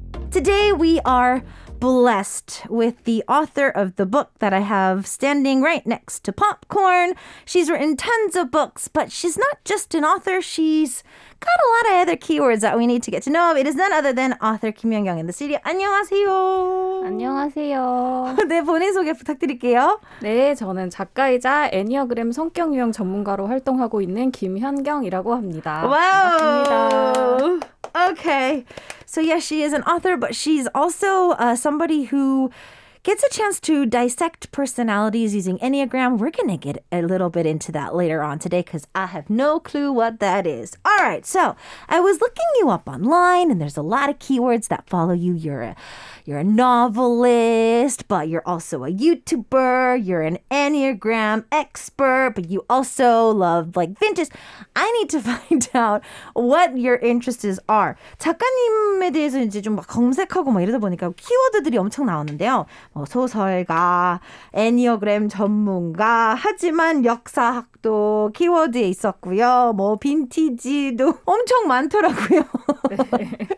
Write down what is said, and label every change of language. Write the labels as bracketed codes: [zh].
[en] Today we are blessed with the author of the book that I have standing right next to Popcorn. She's written tons of books, but she's not just an author. She's got a lot of other keywords that we need to get to know. It is none other than author Kim Young-young in the studio. [ko] 안녕하세요. 안녕하세요. 네, 본인 소개 부탁드릴게요. 네, 저는 작가이자 애니어그램 성격 유형 전문가로 활동하고 있는 김현경이라고 합니다. 와우. Okay. [en] So yes, she is an author, but she's also somebody who gets a chance to dissect personalities using Enneagram. We're going to get a little bit into that later on today because I have no clue what that is. All right. So I was looking you up online and there's a lot of keywords that follow you. You're a novelist, but you're also a YouTuber. You're an Enneagram expert, but you also love like vintage. I need to find out what your interests are. [ko] 작가님에 대해서 이제 좀 막 검색하고 막 이러다 보니까 키워드들이 엄청 나오는데요. 뭐 소설가, 애니어그램 전문가, 하지만 역사학도 키워드에 있었고요. 뭐 빈티지도 엄청 많더라고요. 네.